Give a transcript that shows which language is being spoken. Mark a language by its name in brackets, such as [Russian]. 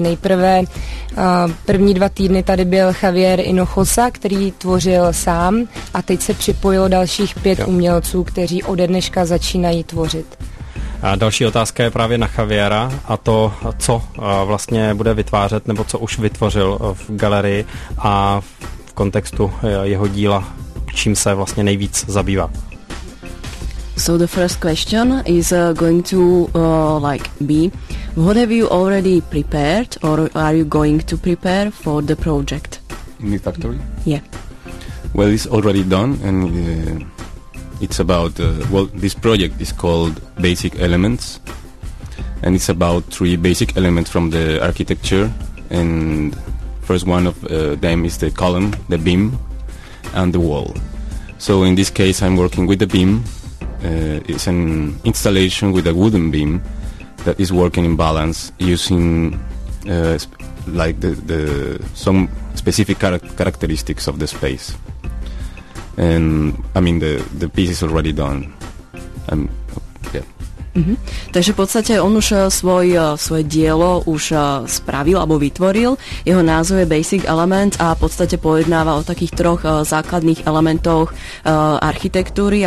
[Czech] Nejprve první dva týdny tady byl Javier Hinojosa, který tvořil sám a teď se připojilo dalších 5 umělců, kteří ode dneška začínají tvořit. A další otázka je právě na Javiera a to, co vlastně bude vytvářet nebo co už vytvořil v galerii a v kontextu jeho díla, čím se vlastně nejvíc zabývá. [English] So the first question is going to like be, what have you already prepared or are you going to prepare for the project? Meat Factory? Yeah. Well, it's already done and it's about, well, this project is called Basic Elements and it's about 3 basic elements from the architecture and first one of them is the column, the beam and the wall. So in this case I'm working with the beam. It's an installation with a wooden beam that is working in balance using like the some specific characteristics of the space. And I mean the piece is already done. Mm-hmm. [Slovak] Takže v podstate on už svoje dielo už spravil alebo vytvoril. Jeho názov je Basic Element a v podstate pojednáva o takých troch základných elementoch architektúry.